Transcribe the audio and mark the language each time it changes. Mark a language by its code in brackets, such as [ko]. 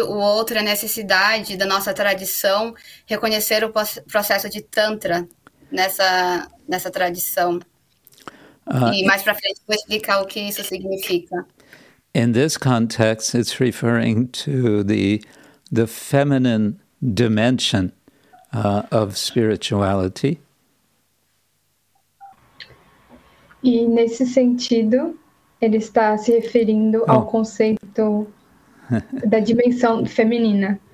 [pt] O outro é a necessidade da nossa tradição reconhecer o processo de Tantra nessa tradição. E mais para frente vou explicar o que isso significa. [en] In this context, it's referring to the feminine dimension of spirituality. [pt] E nesse sentido, ele está se referindo ao conceito da dimensão feminina.